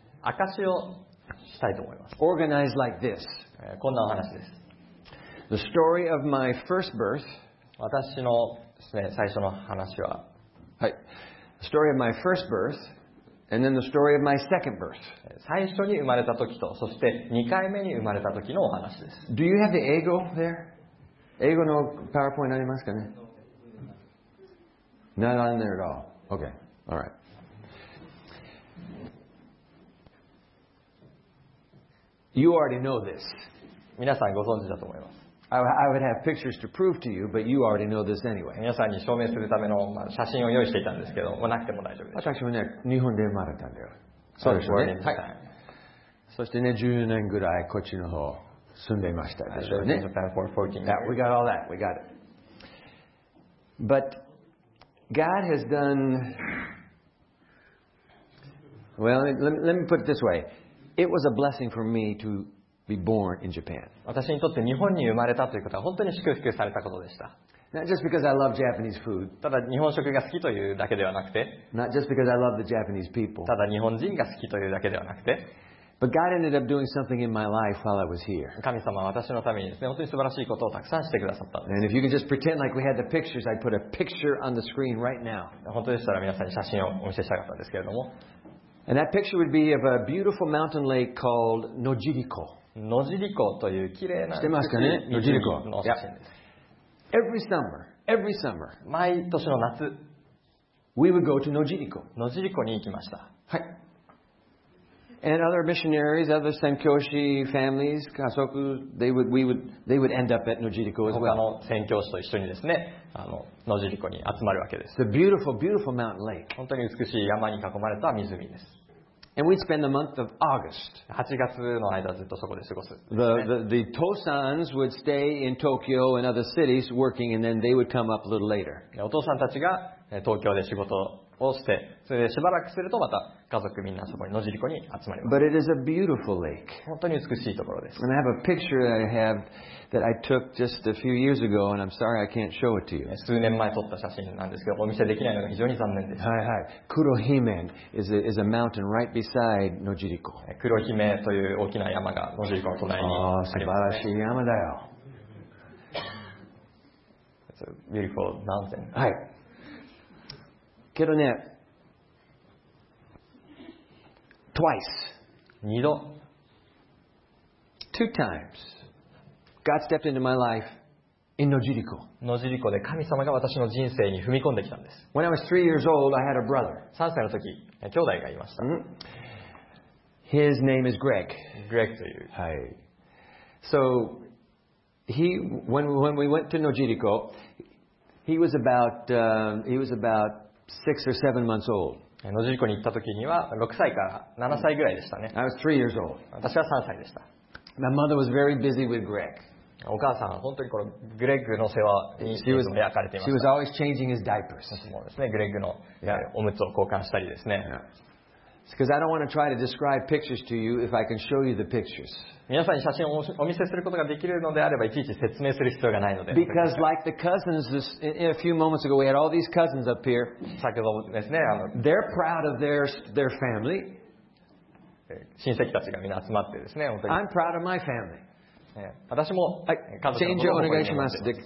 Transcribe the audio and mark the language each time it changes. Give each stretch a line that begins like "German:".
Japanese: 証しをしたいと思います。
English: Organized like this.
Japanese: こんなお話です。
English: The story of my first birth.
Japanese: 私のですね、最初の話は。はい。
English: The story of my first birth, and then the story of my second birth.
Japanese: 最初に生まれた時と、そして2回目に生まれた時のお話です。
English: Do you have the 英語 there?
Japanese: 英語の PowerPoint ありますかね
English: ?Not on there at all. Okay. All right. You already know this.
Japanese: 皆さんご存知だと思います。
English: I would have pictures to prove to you, but you already know this anyway.
Japanese: 皆さんに証明するための写真を用意していたんですけど、なくても大丈夫です。私もね、日本で生まれたんだよ。そうですね。はい。そしてね、10年ぐらいこっちの方住んでいましたでしょうね。
English: Yeah, we got all that. We got it. But God has done... Well, let me put it this way. It was a blessing for me to be born in Japan.
Japanese: 私にとって日本に生まれたということは本当に祝福されたことでした。
English: Not just because I love Japanese food.
Japanese: ただ日本食が好きというだけではなくて。
English: Not just because I love the Japanese people.
Japanese: ただ日本人が好きというだけではなくて。
English: But God ended up doing something in my life while I was here.
Japanese: 神様は私のためにですね、本当に素晴らしいことをたくさんしてくださったんです。
English: And if you can just pretend like we had the pictures, I'd put a picture on the screen right now.
Japanese: 本当でしたら皆さんに写真をお見せしたかったんですけれども。
English: And that picture would be of a beautiful mountain lake called Nojiriko.
Japanese: Nojiriko という綺麗な。知ってますかね？ Nojiriko.
English: Yeah. Every summer.
Japanese: 毎年の夏。
English: We would go to Nojiriko.
Japanese: Nojiriko に行きました。はい。
English: And other missionaries, other Senkyoshi families, Kasoku, they would end up at Nojiriko as well.
Japanese: 他の宣教師と一緒にですね、Nojiriko に集まるわけです。
English: The beautiful mountain lake.
Japanese: 本当に美しい山に囲まれた湖です。
English: And we'd spend the month of August.
Japanese: 8月の間ずっとそこで過ごす。
English: The Tosans would stay in Tokyo and other cities working, and then they would come up a little later.
Japanese: お父さんたちが東京で仕事をしてそれでしばらくするとまた家族みんなそこに野尻湖に集まります
English: But it is a beautiful lake.
Japanese: 本当に美しいところです。
English: And I have a picture that I have that I took just a few years ago, and I'm sorry I can't show it to you.
Japanese: 数年前撮った写真なんですけど、お見せできないのが非常に残念です。はいはい。
English: Kurohime is a mountain right beside 野尻
Japanese: 湖。Kurohimeという大きな山が野尻湖の隣にあります、ね。素晴らしい山だよ。
English: It's a beautiful mountain.
Japanese: はい。けどね、twice, 二度、
English: two times, God stepped into my life in Nojiriko.
Japanese: Nojiriko で神様が私の人生に踏み込んできたんです。
English: When I was 3 years old, I had a brother.
Japanese: 三歳の時、兄弟がいました。
English: His name is Greg.
Japanese: Greg という。はい。
English: So, when we went to Nojiriko, he was about Six or seven months old.
Japanese: ノジリコに行った時には6歳から7歳ぐらいでしたね。
English: I was 3 years old.
Japanese: 私は3歳でした。
English: My mother was very busy with Greg.
Japanese: お母さんは本当にこのグレッグの世話に焼かれていました。
English: She was always changing his diapers.
Japanese: そうですね。グレッグのおむつを交換したりですね。
English: Yeah. Because I don't want to try to describe pictures to you if I can show you the pictures.
Japanese: 皆さんに写真をお見せすることができるのであればいちいち説明する必要がないので。
English: Because like the cousins, this, in a few moments ago, we had all these cousins up here.
Japanese: 先ほどですね、
English: They're proud of their family.
Japanese: 親戚たちが皆集まってですね、本当に。
English: I'm proud of my family.
Japanese: 私も家族の子供を願ってます。